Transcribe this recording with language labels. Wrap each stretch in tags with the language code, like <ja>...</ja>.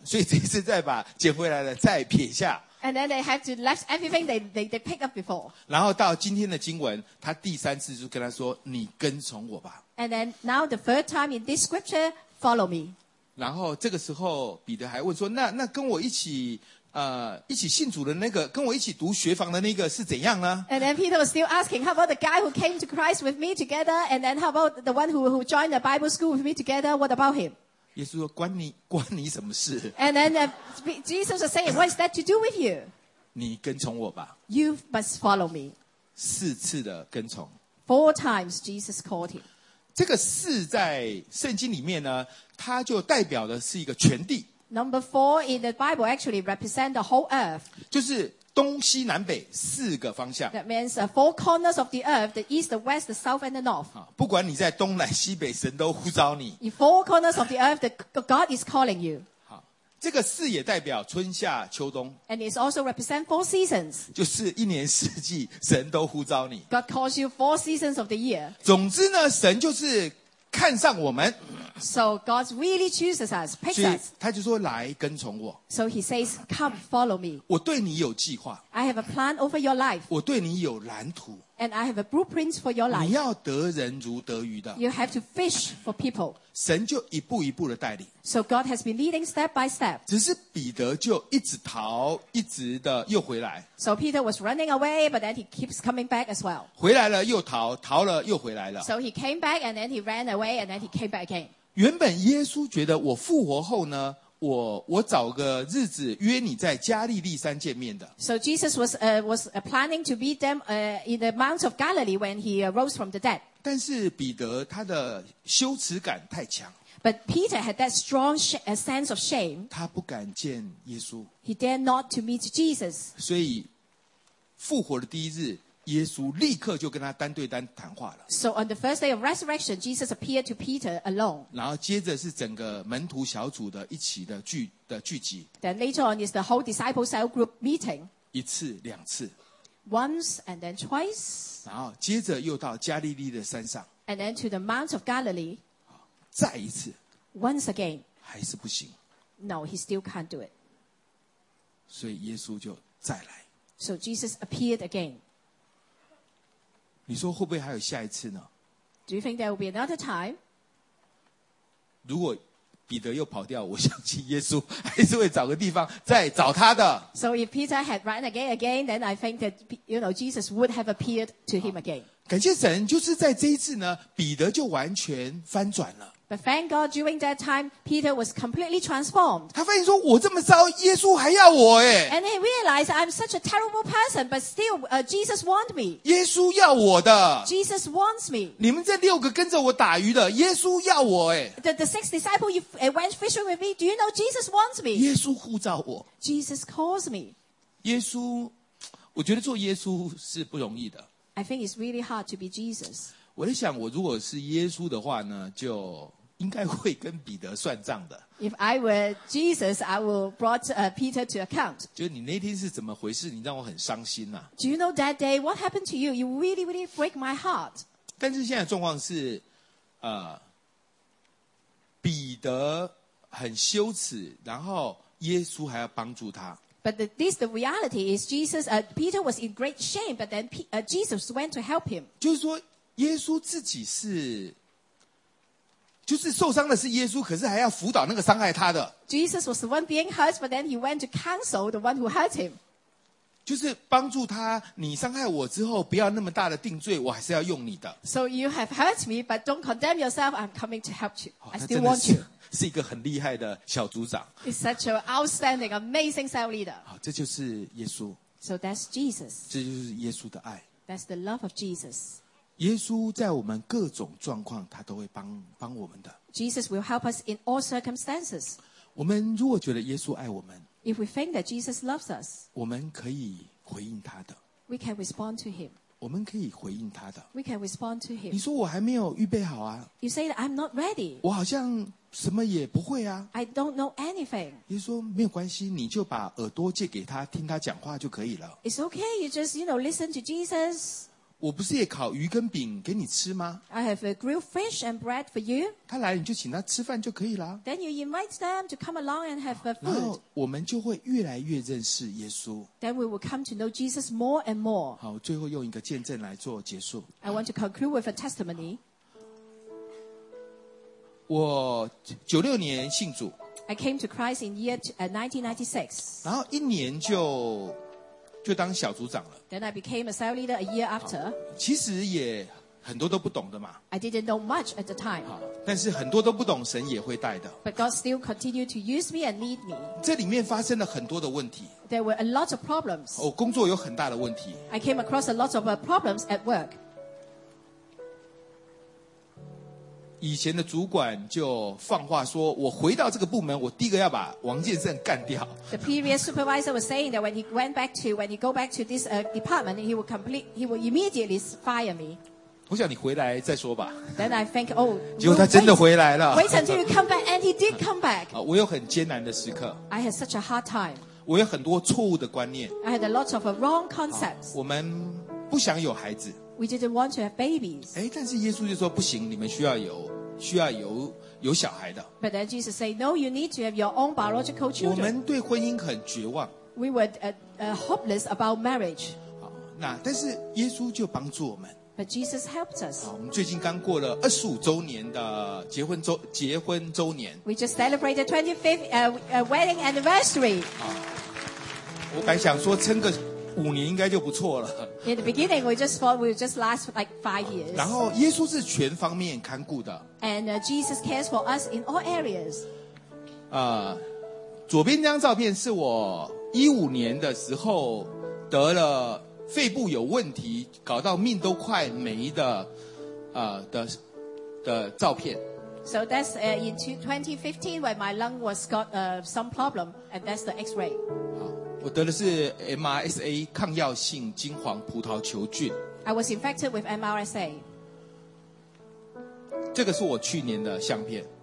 <zh>所以这次再把捡回来的再撇下。</zh> <en>And then they have to left everything they pick up before.</en> <zh>然后到今天的经文，他第三次就跟他说：“你跟从我吧。”</zh> <en>And then now the third time in this scripture, follow me.</en> <zh>然后这个时候彼得还问说：“那跟我一起。” 一起信主的那个，跟我一起读学房的那个是怎样呢？</zh> <en>And then Peter was still asking, how about the guy who came to Christ with me together? And then how about the one who joined the Bible school with me together? What about him?</en> <zh>耶稣说，关你什么事？</zh> <en>And then Jesus was saying, what is that to do with you?</en> <zh>你跟从我吧。</zh> <en>You must follow me.</en> <zh>四次的跟从。</zh> <en>Four times Jesus called him.</en> <zh>这个四在圣经里面呢，它就代表的是一个全地。</zh> <en>Number four in the Bible actually represent the whole earth.</en> <zh>就是东西南北四个方向。</zh> <en>That means four corners of the earth, the east, the west, the south, and the north.</en> <zh>不管你在东南西北，神都呼召你。</zh> <en>In four corners of the earth, God is calling you.</en> <zh>这个四也代表春夏秋冬。</zh> <en>And it also represent four seasons.</en> <zh>就是一年四季，神都呼召你。</zh> <en>God calls you four seasons of the year.</en> <zh>总之呢，神就是看上我们。</zh> <en>So God really chooses us, picks us.</en> <zh>他就说来跟从我。</zh> <en>So he says, come follow me.</en> <zh>我对你有计划。</zh> <en>I have a plan over your life.</en> <zh>我对你有蓝图。</zh> <en>And I have a blueprint for your life.</en> <zh>你要得人如得鱼的。</zh> <en>You have to fish for people.</en> <zh>神就一步一步的带领。</zh> <en>So God has been leading step by step.</en> <zh>只是彼得就一直逃，一直的又回来。</zh> <en>So Peter was running away, but then he keeps coming back as well.</en> <zh>回来了又逃，逃了又回来了。</zh> <en>So he came back and then he ran away and then he came back again.</en> <zh>原本耶稣觉得我复活后呢，我找个日子约你在加利利山见面的。</zh> <en>So Jesus was planning to meet them in the Mount of Galilee when he rose from the dead.</en> <zh>但是彼得他的羞耻感太强。</zh> <en>But Peter had that strong sense of shame.</en> <zh>他不敢见耶稣。</zh> <en>He dared not to meet Jesus.</en> <zh>所以复活的第一日，耶稣立刻就跟他单对单谈话了。</zh> <en>So on the first day of resurrection, Jesus appeared to Peter alone.</en> <zh>然后接着是整个门徒小组的一起的聚集。</zh> <en>Then later on is the whole disciple cell group meeting.</en> <zh>一次两次。</zh> <en>Once and then twice.</en> <zh>然后接着又到加利利的山上。</zh> <en>And then to the Mount of Galilee.</en> <zh>再一次。</zh> <en>Once again.</en> <zh>还是不行。</zh> <en>No, he still can't do it.</en> <zh>所以耶稣就再来。</zh> <en>So Jesus appeared again.</en> <zh>你说会不会还有下一次呢？</zh> <en>Do you think there will be another time?</en> <zh>如果彼得又跑掉，我相信耶稣还是会找个地方再找他的。</zh> <en>So if Peter had run again, then I think that you know Jesus would have appeared to him again.</en> <zh>感谢神，就是在这一次呢，彼得就完全翻转了。</zh> <en>But thank God, during that time, Peter was completely transformed.</en> <zh>他发现说，我这么糟，耶稣还要我耶。</zh> <en>And he realized I'm such a terrible person, but still, Jesus wants me.</en> <zh>耶稣要我的。</zh> <en>Jesus wants me.</en> <zh>你们这六个跟着我打鱼的，耶稣要我耶。</zh> <en>The six disciples you went fishing with me, do you know Jesus wants me?</en> <zh>耶稣呼召我。</zh> <en>Jesus calls me.</en> <zh>耶稣，我觉得做耶稣是不容易的。</zh> <en>I think it's really hard to be Jesus.</en> <zh>我在想，我如果是耶稣的话呢，就应该会跟彼得算账的。</zh> <en>If I were Jesus, I would brought Peter to account.</en> <zh>就你那天是怎么回事？你让我很伤心呐。</zh> <en>Do you know that day? What happened to you? You really, really break my heart.</en> <zh>但是现在状况是，彼得很羞耻，然后耶稣还要帮助他。</zh> <en>But the reality is Jesus, Peter was in great shame, but then Jesus went to help him.</en> <zh>就是说耶稣自己是，就是受伤的是耶稣，可是还要辅导那个伤害他的。</zh> <en>Jesus was the one being hurt, but then he went to counsel the one who hurt him.</en> <zh>就是帮助他，你伤害我之后不要那么大的定罪，我还是要用你的。 So you have hurt me, but don't condemn yourself, I'm coming to help you.</zh> <en>I still want you.</en> <zh>是一个很厉害的小组长。</zh> <en>He's such an outstanding, amazing cell leader.</en> <zh>好，这就是耶稣。</zh> <en>So that's Jesus.</en> <zh>这就是耶稣的爱。</zh> <en>That's the love of Jesus.</en> <zh>耶稣在我们各种状况，他都会帮我们的。</zh> <en>Jesus will help us in all circumstances.</en> <zh>我们如果觉得耶稣爱我们</zh> <en>，If we think that Jesus loves us,</en> <zh>我们可以回应他的。</zh> <en>We can respond to him.</en> <zh>我们可以回应他的。</zh> <en>We can respond to him.</en> <zh>你说我还没有预备好啊</zh> <en>？You say that I'm not ready.</en> <zh>我好像。什么也不会啊</zh> <en>I don't know anything.</en> <zh>耶稣说没有关系你就把耳朵借给他听他讲话就可以了</zh> <en>It's okay, you just, you know, listen to Jesus.</en> <zh>我不是也烤鱼跟饼给你吃吗</zh> <en>I have a grilled fish and bread for you.</en> <zh>他来你就请他吃饭就可以了</zh> <en>Then you invite them to come along and have a food.</en> <zh>然后我们就会越来越认识耶稣</zh> <en>Then we will come to know Jesus more and more.</en> <zh>好最后用一个见证来做结束</zh> <en>I want to conclude with a testimony.</en> <zh>我九六年信主</zh> <en>I came to Christ in year 1996</en> <zh>然后一年就当小组长了</zh> <en>Then I became a cell leader a year after</en> <zh>其实也很多都不懂的嘛</zh> <en>I didn't know much at the time</en> <zh>但是很多都不懂神也会带的</zh> <en>But God still continued to use me and lead me</en> <zh>这里面发生了很多的问题</zh> <en>There were a lot of problems</en> <zh>我工作有很大的问题</zh> <en>I came across a lot of problems at work</en> <zh>以前的主管就放话说我回到这个部门我第一个要把王建胜干掉</zh> <en>The previous supervisor was saying that when he go back to this department he will immediately fire me</en> <zh>我想你回来再说吧</zh> <en>Then I think oh</en> <zh>结果他真的回来了</zh> <en>Wait until you come back and he did come back</en> <zh>我有很艰难的时刻</zh> <en>I had such a hard time</en> <zh>我有很多错误的观念</zh> <en>I had a lot of wrong concepts</en> <zh>我们不想有孩子</zh> <en>We didn't want to have babies.</en> <zh>哎，但是耶稣就说不行，你们需要有小孩的。</zh> <en>But then Jesus said, "No, you need to have your own biological children."</en> <zh>我们对婚姻很绝望。</zh> <en>We were hopeless about marriage.</en> <zh>好，那但是耶稣就帮助我们。</zh> <en>But Jesus helped us.</en> <zh>好，我们最近刚过了25周年的结婚周年。</zh> <en>We just celebrated 25th wedding anniversary.</en> <zh>好，我本来想说撑个。五年应该就不错了。</zh> <en>In the beginning, we just thought we would just last like 5 years.</en> <zh>然后耶稣是全方面看顾的。</zh> <en>And Jesus cares for us in all areas.</en> <zh>左边这张照片是我2015年的时候得了肺部有问题，搞到命都快没的，的照片。</zh> <en>So that's in 2015 when my lung was got some problem, and that's the X-ray.</en> <zh>我得的是 MRSA 抗药性金黄葡萄球菌</zh> <en>I was infected with MRSA</en> <zh>这个是我去年的相片</zh>